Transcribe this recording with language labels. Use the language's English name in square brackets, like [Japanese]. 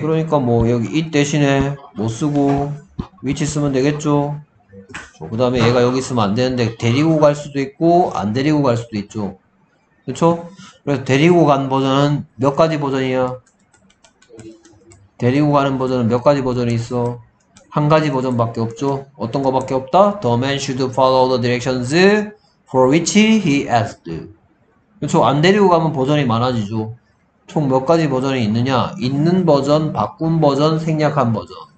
[Korean] 그러니까 뭐 여기 it 대신에 못 쓰고 which 쓰면 되겠죠. 그 다음에 얘가 여기 있으면 안 되는데 데리고 갈 수도 있고 안 데리고 갈 수도 있죠. 그렇죠? 그래서 데리고 간 버전은 몇 가지 버전이야? 데리고 가는 버전은 몇 가지 버전이 있어? 한 가지 버전밖에 없죠. 어떤 거밖에 없다? [English] The man should follow the directions for which he asked. [Korean] 그렇죠. 안 데리고 가면 버전이 많아지죠. 총몇 가지 버전이 있느냐? 있는 버전, 바꾼 버전, 생략한 버전.